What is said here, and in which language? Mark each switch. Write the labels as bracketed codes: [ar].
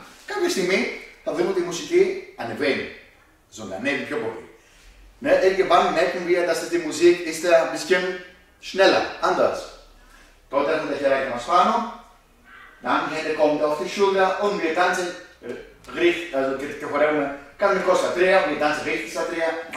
[el] Κάποια στιγμή θα δούμε ότι η μουσική ανεβαίνει. Ζωντανεύει πιο πολύ. [de] Ναι, irgendwann merken wir, dass die Musik ist ein bisschen schneller, anders. [el] Τότε έχουμε τα χεράκια μας πάνω. [de] Dann die Hände kommen auf die Schulter und wir tanzen richtig, also [el] και χορεύουμε κανονικό στα τρία, [de] wir tanzen richtig [el] στα τρία.